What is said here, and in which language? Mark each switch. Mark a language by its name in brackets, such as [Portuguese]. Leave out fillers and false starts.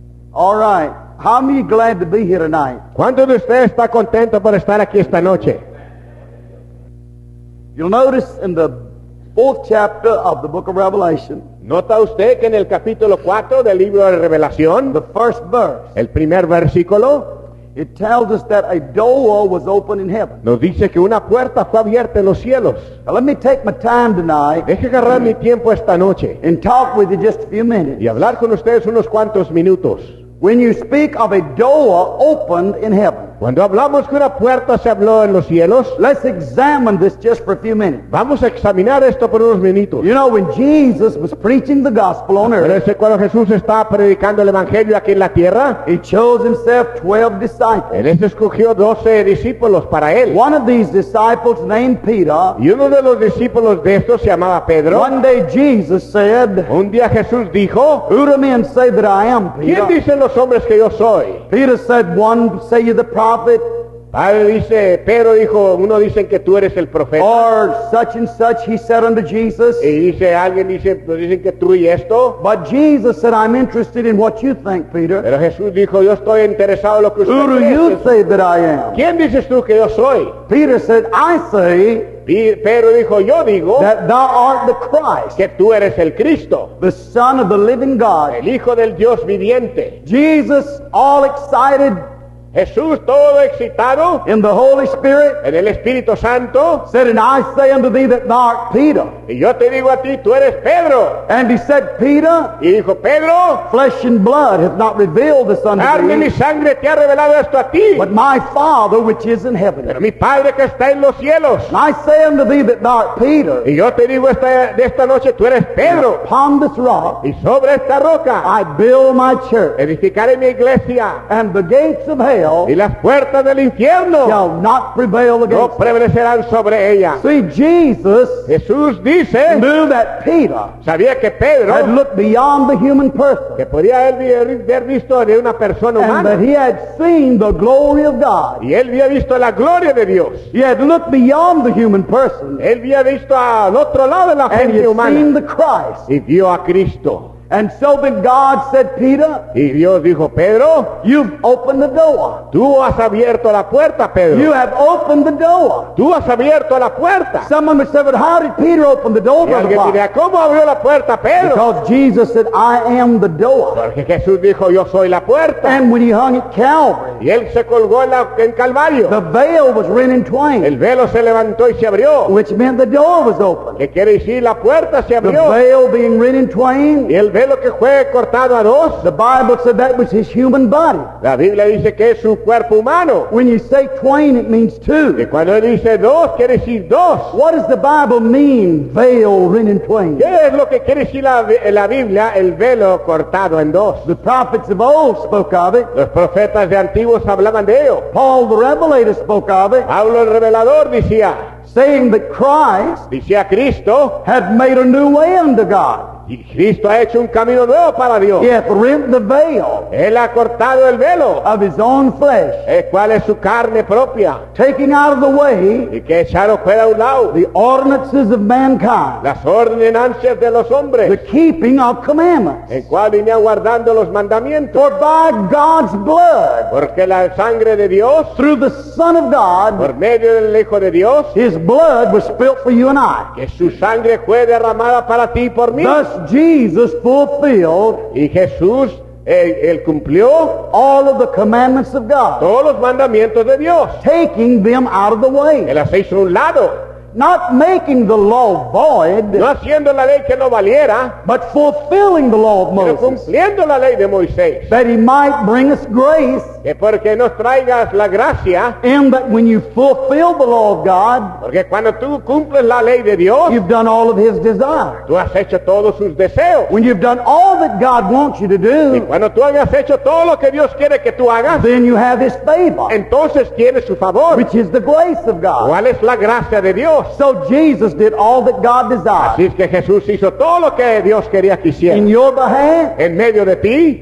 [English] All right. How many glad to be here tonight? [Spanish] ¿Cuánto de ustedes está contento por estar aquí esta noche? [English] You'll notice in the fourth chapter of the book of Revelation. [Spanish] Nota usted que en el capítulo 4 del libro de Revelación, [English] the first verse, [Spanish] el primer versículo, [English] it tells us that a door was open in heaven. [Spanish] Nos dice que una puerta fue abierta en los cielos. [English] Now let me take my time tonight. [Spanish] Deje agarrar mi tiempo esta noche. [English] And talk with you just a few minutes. [Spanish] Y hablar con ustedes unos cuantos minutos. [English] When you speak of a door opened in heaven, [Spanish] cuando hablamos que una puerta se abrió en los cielos, [English] let's examine this just for a few minutes. [Spanish] Vamos a examinar esto por unos minutos. [English] You know, when Jesus was preaching the gospel on earth, [Spanish] ¿recuerdas cuando Jesús estaba predicando el evangelio aquí en la tierra? [English] He chose himself 12 disciples. [Spanish] Él escogió 12 discípulos para él. [English] One of these disciples named Peter. [Spanish] Y uno de los discípulos de estos se llamaba Pedro. [English] One day Jesus said, [Spanish] un día Jesús dijo, [English] who do men say that I am, Peter? [Spanish] ¿Quién dicen los hombres que yo soy? [English] Peter said, one say you're the prophet. [Spanish] Padre dice, Pedro dijo, uno dicen que tú eres el profeta. [English] Or such and such, he said unto Jesus. [Spanish] Y dice, alguien dice, pues dicen que tú y esto. [English] But Jesus said, I'm interested in what you think, Peter. [Spanish] Pero Jesús dijo, yo estoy interesado en lo que usted cree. [English] Who do you say that I am? [Spanish] ¿Quién dices tú que yo soy? [English] Peter said, I say. [Spanish] Pedro dijo, yo digo, [English] that thou art the Christ, [Spanish] que tú eres el Cristo, [English] the Son of the living God, [Spanish] el Hijo del Dios viviente. [English] Jesus, all excited, [Spanish] Jesús todo excitado, [English] in the Holy Spirit, [Spanish] en el Espíritu Santo, [English] said, and I say unto thee that thou art Peter. [Spanish] Y yo te digo a ti, tú eres Pedro. [English] And he said, Peter, [Spanish] y dijo, Pedro, [English] flesh and blood hath not revealed this unto thee. [Spanish] Carne y sangre te ha revelado esto a ti. [English] But my Father which is in heaven. [Spanish] Pero mi Padre que está en los cielos. [English] And I say unto thee that thou art Peter. [Spanish] Y yo te digo esta noche, tú eres Pedro. [English] And upon this rock, [Spanish] y sobre esta roca, [English] I build my church. [Spanish] Edificaré mi iglesia. [English] And the gates of hell, [Spanish] y las puertas del infierno, [English] shall not prevail against, [Spanish] no prevalecerán sobre ella. [English] See, Jesus, [Spanish] Jesús dice, [English] knew that Peter, [Spanish] sabía que Pedro, [English] had looked beyond the human person, [Spanish] que podía él haber visto de una persona humana, [English] and that he had seen the glory of God, [Spanish] y él había visto la gloria de Dios. [English] He had looked beyond the human person, [Spanish] él había visto al otro lado de la gente humana, [English] and he had seen the Christ, [Spanish] y vio a Cristo. [English] And so then God said, Peter, [Spanish] y Dios dijo, Pedro, [English] you've opened the door. [Spanish] Tú has abierto la puerta, Pedro. [English] You have opened the door. [Spanish] Tú has abierto la puerta. [English] Someone may say, but how did Peter open the door? [Spanish] Y alguien dirá, ¿cómo abrió la puerta, Pedro? [English] Because Jesus said, I am the door. [Spanish] Porque Jesús dijo, yo soy la puerta. [English] And when he hung at Calvary, [Spanish] y él se colgó en Calvario, [English] the veil was rent in twain. [Spanish] El velo se levantó y se abrió. [English] Which meant the door was open. [Spanish] ¿Qué quiere decir? La puerta se abrió. [English] The veil being rent in twain. [Spanish] Y el velo que fue cortado a dos. [English] The Bible said that was his human body. [Spanish] La Biblia dice que es su cuerpo humano. [English] When you say twain, it means two. [Spanish] Y cuando dice dos, quiere decir dos. [English] What does the Bible mean, veil rent in twain? [Spanish] ¿Qué es lo que quiere decir la Biblia, el velo cortado en dos? [English] The prophets of old spoke of it. [Spanish] Los profetas de antiguos hablaban de ello. [English] Paul the Revelator spoke of it. [Spanish] Pablo el Revelador decía, [English] saying that Christ, [Spanish] decía Cristo, [English] had made a new way unto God. [Spanish] Y Cristo ha hecho un camino nuevo para Dios. [English] He hath rent the veil. [Spanish] Él ha cortado el velo. [English] Of his own flesh. [Spanish] El cual es su carne propia. [English] Taking out of the way. [Spanish] Y que echaron fuera a un lado. [English] The ordinances of mankind. [Spanish] Las ordenanzas de los hombres. [English] The keeping of commandments. [Spanish] El cual venía guardando los mandamientos. [English] For by God's blood. [Spanish] Porque la sangre de Dios. [English] Through the Son of God. [Spanish] Por medio del Hijo de Dios. [English] His blood was spilt for you and I. [Spanish] Que su sangre fue derramada para ti y por mí. [English] Thus Jesus fulfilled, [Spanish] y Jesús, él cumplió, [English] all of the commandments of God, [Spanish] todos los mandamientos de Dios, [English] taking them out of the way, [Spanish] él las hizo un lado, [English] not making the law void, [Spanish] no haciendo la ley que no valiera, [English] but fulfilling the law of Moses, [Spanish] cumpliendo la ley de Moisés, [English] that he might bring us grace, [Spanish] que porque nos traigas la gracia, [English] and that when you fulfill the law of God, [Spanish] porque cuando tú cumples la ley de Dios, [English] you've done all of his desire, [Spanish] tú has hecho todos sus deseos, [English] when you've done all that God wants you to do, [Spanish] y cuando tú hayas hecho todo lo que Dios quiere que tú hagas, [English] then you have his favor, [Spanish] entonces tienes su favor, [English] which is the grace of God, [Spanish] cuál es la gracia de Dios. [English] So Jesus did all that God desired. [Spanish] Así es que Jesús hizo todo lo que Dios quería que hiciera. [English] In your behalf. [Spanish] En medio de ti.